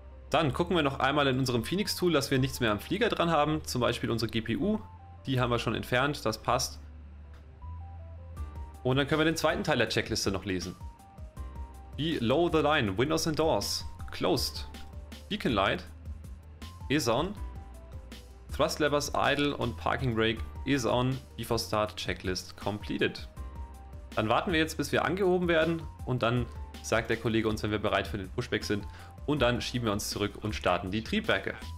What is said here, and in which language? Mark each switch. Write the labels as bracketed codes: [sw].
[de] Dann gucken wir noch einmal in unserem Phoenix Tool, dass wir nichts mehr am Flieger dran haben, zum Beispiel unsere GPU. Die haben wir schon entfernt, das passt. Und dann können wir den zweiten Teil der Checkliste noch lesen. [en] Below the line, windows and doors, closed, beacon light, is on, thrust levers idle und parking brake is on, before start checklist completed. [de] Dann warten wir jetzt, bis wir angehoben werden und dann sagt der Kollege uns, wenn wir bereit für den Pushback sind und dann schieben wir uns zurück und starten die Triebwerke.